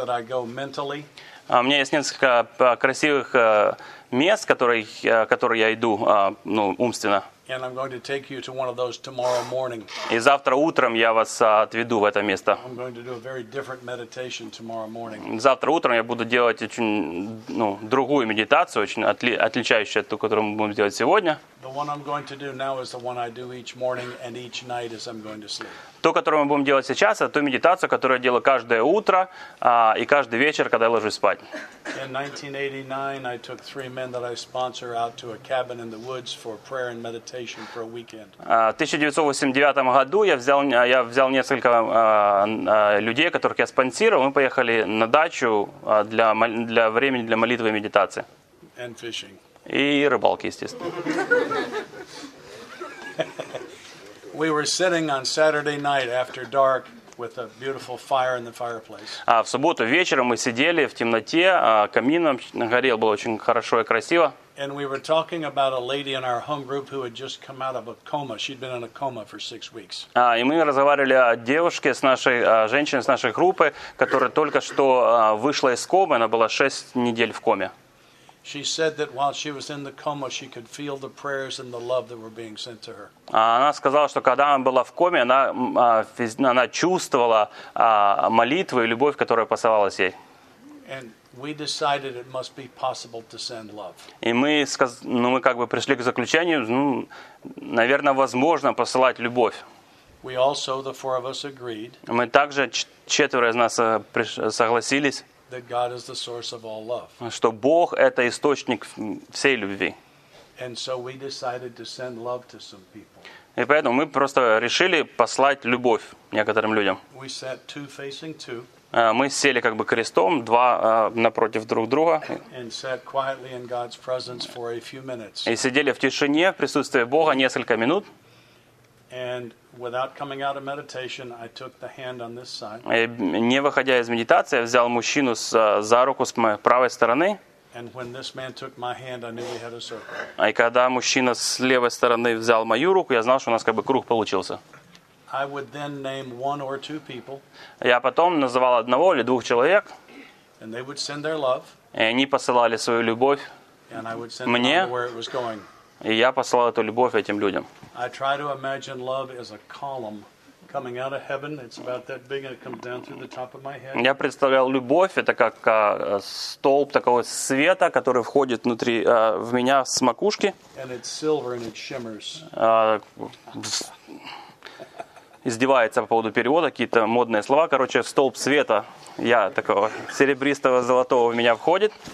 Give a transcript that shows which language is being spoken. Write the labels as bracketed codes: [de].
[ru] У меня есть несколько красивых мест, которые я иду умственно. [en] And I'm going to take you to one of those tomorrow morning. [ru] И завтра утром я вас отведу в это место. [en] I'm going to do a very different meditation tomorrow morning. [ru] Завтра утром я буду делать очень, ну, другую медитацию, очень отличающуюся от той, которую мы будем делать сегодня. [en] The one I'm going to do now is the one I do each morning and each night as I'm going to sleep. [ru] То, которую мы будем делать сейчас, это ту медитацию, которую я делаю каждое утро и каждый вечер, когда я ложусь спать. [en] In 1989, I took three men that I sponsor out to a cabin in the woods for prayer and meditation for a weekend. [ru] В 1989 году я взял несколько людей, которых я спонсировал, мы поехали на дачу для времени для молитвы и медитации. [en] And fishing. [ru] И рыбалки, естественно. [en] We were sitting on Saturday night after dark with a beautiful fire in the fireplace. [ru] В субботу вечером мы сидели в темноте, камин горел, было очень хорошо и красиво. [en] And we were talking about a lady in our home group who had just come out of a coma. She'd been in a coma for 6 weeks. [ru] И мы разговаривали о девушке с нашей женщине с нашей группы, которая только что вышла из комы, она была 6 недель в коме. [en] She said that while she was in the coma, she could feel the prayers and the love that were being sent to her. [ru] Она сказала, что когда она была в коме, она чувствовала молитвы и любовь, которая посылалась ей. [en] And we decided it must be possible to send love. [ru] И мы как бы пришли к заключению, ну, наверное, возможно посылать любовь. [en] We also, the four of us, agreed. [ru] Мы также четверо из нас согласились. [en] that God is the source of all love. [ru] Что Бог это источник всей любви. [en] And so we decided to send love to some people. [ru] И поэтому мы просто решили послать любовь некоторым людям. [en] We sat two facing two. [ru] Мы сели как бы крестом, два напротив друг друга. [en] And sat quietly in God's presence for a few minutes. [ru] И сидели в тишине в присутствии Бога несколько минут. [en] And without coming out of meditation, I took the hand on this side. [ru] И не выходя из медитации, я взял мужчину за руку с моей правой стороны. [en] And when this man took my hand, I knew we had a circle. [ru] И когда мужчина с левой стороны взял мою руку, я знал, что у нас как бы круг получился. [en] I would then name one or two people. [ru] Я потом называл одного или двух человек. [en] And they would send their love. [ru] И они посылали свою любовь. [en] And I would send them where it was going. [ru] И я посылал эту любовь этим людям. [en] I try to imagine love as a column coming out of heaven. It's about that big and it comes down through the top of my head. [ru] Я представлял любовь это как столб такого света, который входит внутри в меня с макушки. [en] And it's silver and it shimmers. [ru] Издевается по поводу перевода, какие-то модные слова. Короче, столб света, я такого серебристого, золотого в меня входит.